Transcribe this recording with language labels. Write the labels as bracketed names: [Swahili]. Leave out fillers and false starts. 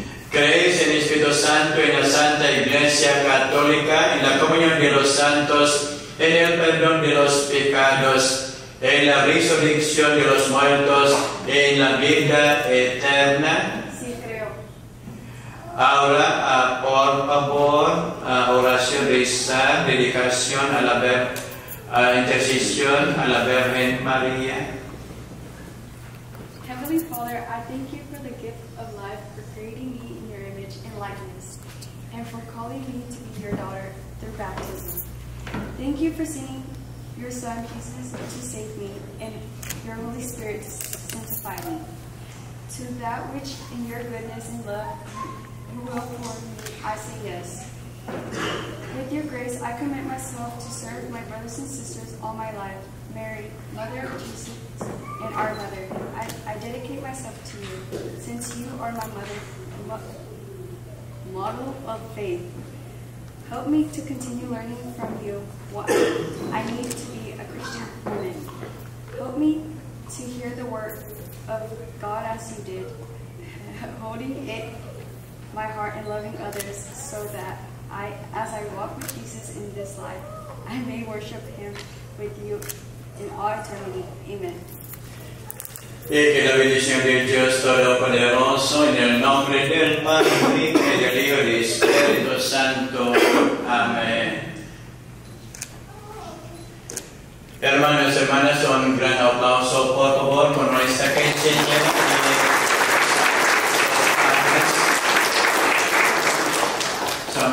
[Spanish] ¿Crees en el Espíritu Santo, en la Santa Iglesia Católica, en la comunión de los santos, en el perdón de los pecados, en la resurrección de los muertos, en la vida eterna? Sí, creo. Ahora, por favor, oración, rezar, dedicación a la intercesión a la Virgen María. [English] Heavenly Father, I thank you for the gift of life, for creating me in your image and likeness, and for calling me to be your daughter through baptism. Thank you for sending your Son Jesus to save me and your Holy Spirit to sanctify me, to that which in your goodness and love you will pour me, I say yes. With your grace, I commit myself to serve my brothers and sisters all my life, Mary, Mother of Jesus, and our Mother. I dedicate myself to you, since you are my Mother, model of faith. Help me to continue learning from you what I need to be a Christian woman. Help me to hear the word of God as you did, holding it my heart and loving others so that I, as I walk with Jesus in this life, I may worship Him with you in all eternity. Amen. [Spanish] Y que la bendición de Dios Todopoderoso, en el nombre del Padre, y del Hijo y del Espíritu Santo. Amén. Hermanos y hermanas, un gran aplauso, por favor, por nuestra quincena.